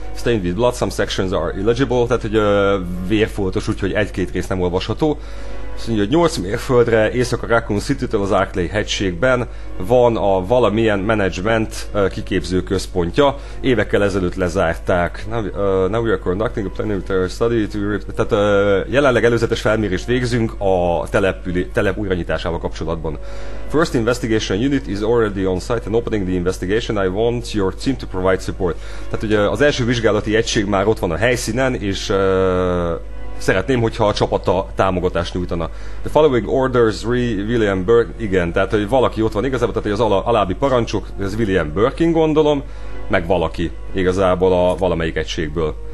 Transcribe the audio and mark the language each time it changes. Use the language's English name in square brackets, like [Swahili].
[English] Stained with blood, some sections are illegible, [Hungarian] tehát hogy vérfoltos, úgyhogy egy-két rész nem olvasható. Azt mondja, hogy 8 mérföldre, észak a Raccoon City-től az Arklay hegységben van a valamilyen management kiképző központja. Évekkel ezelőtt lezárták. [English] Now we are conducting a planetary study to... [Hungarian] Tehát jelenleg előzetes felmérést végzünk a telep újranyításával kapcsolatban. [English] First investigation unit is already on site and opening the investigation. I want your team to provide support. [Hungarian] Tehát ugye az első vizsgálati egység már ott van a helyszínen, és... szeretném, hogyha a csapata támogatást nyújtana. [English] The following orders, [Hungarian] William Birkin, igen, tehát hogy valaki ott van igazából, tehát hogy az alábbi parancsok, ez William Birkin gondolom, meg valaki igazából a valamelyik egységből.